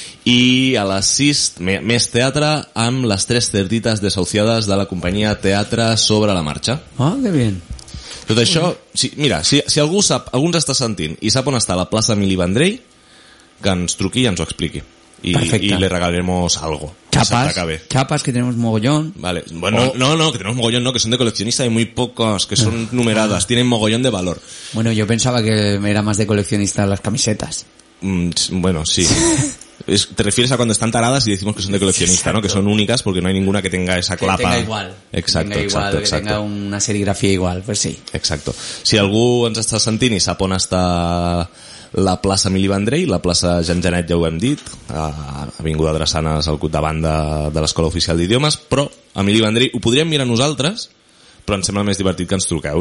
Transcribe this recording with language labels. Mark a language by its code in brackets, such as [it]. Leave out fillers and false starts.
[ca] I a les 6, més teatre amb Les tres cerditas desahuciades, de la companyia Teatre Sobre la Marxa. [es] Ah, que bien. [ca] Tot això, sí, mira, si algú sap, algú ens està sentint i sap on està la plaça Emili Vendrell, que ens truqui i ens ho expliqui. Perfecte. I li [es] regalaremos algo. Chapas, que tenemos mogollón. Vale. Bueno, o... no, que tenemos mogollón, no, que son de coleccionista y muy pocas, que son numeradas, tienen mogollón de valor. Bueno, yo pensaba que era más de coleccionista las camisetas. Bueno, sí. Te refieres a cuando están taradas y decimos que son de coleccionista, exacto, ¿no? Que son únicas porque no hay ninguna que tenga esa clapa. Que tenga igual. Exacto, que tenga igual, exacto, que exacto. Que tenga una serigrafía igual, pues sí. Exacto. [ca] Si algú ens està sentint i sap on està la plaça Emili Vendrell, la plaça Jean Genet, ja ho hem dit, ha vingut a Drassanes al cut de banda de l'Escola Oficial d'Idiomes, però Emili Vendrell, ho podríem mirar nosaltres, però em sembla més divertit que ens truqueu.